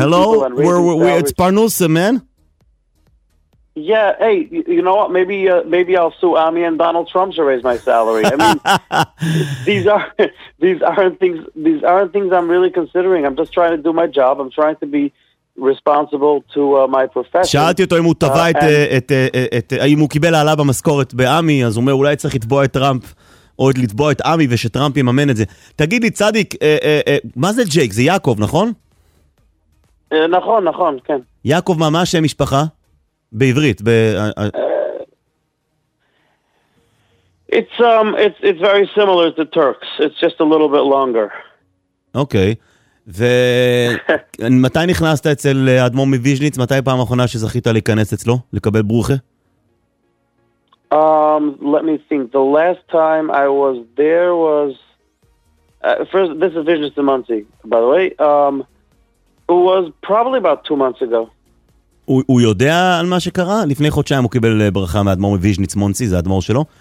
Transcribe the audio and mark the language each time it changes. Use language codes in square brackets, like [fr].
[en] Hello, we're it's Parnusa, man. Yeah, hey, you know what? Maybe I'll sue Ami and Donald Trump to raise my salary. I mean, these aren't things I'm really considering. I'm just trying to do my job. I'm trying to be responsible to my profession. [he] שאלתי אותו אם הוא תבע את האם הוא קיבל העלה במשכורת באמי, אז הוא אומר אולי צריך לתבוע את טראמפ. או לתבוע את אמי ושטראמפ יממן את זה. תגיד לי, צדיק, מה זה ג'ייק? זה יעקב, נכון? נכון, נכון, כן. יעקב, מה השם משפחה? בעברית. [en] It's very similar to Turks. It's just a little bit longer. [he] אוקיי. ומתי נכנסת אצל אדמו"ר מוויז'ניץ? מתי פעם האחרונה שזכית להיכנס אצלו? לקבל ברוכה? [en] Let me think. The last time I was there was first. This is Vishnu Simonsi, by the way. It was probably about 2 months ago. [he] הוא יודע על מה שקרה? לפני חודשיים הוא קיבל ברכה מאדמור מוויז'ניץ סימונסי, זה האדמור שלו.